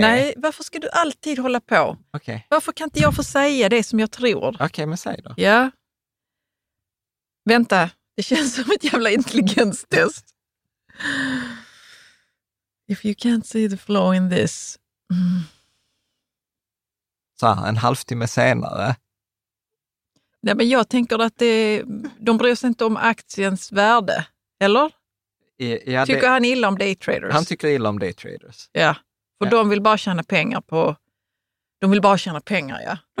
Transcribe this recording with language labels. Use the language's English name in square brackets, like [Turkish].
[Swedish] Nej, varför ska du alltid hålla på? [English] Okay. [Swedish] Varför kan inte jag få säga det som jag tror? Okej, men säg då. Ja. Vänta, det känns som ett jävla intelligenstest. [English] If you can't see the flaw in this... [Swedish] Så här, en halvtimme senare. Nej, men jag tänker att de bryr sig inte om aktiens värde, eller? Ja, tycker han illa om daytraders? Han tycker illa om daytraders. Ja. För de vill bara tjäna pengar på... De vill bara tjäna pengar, ja.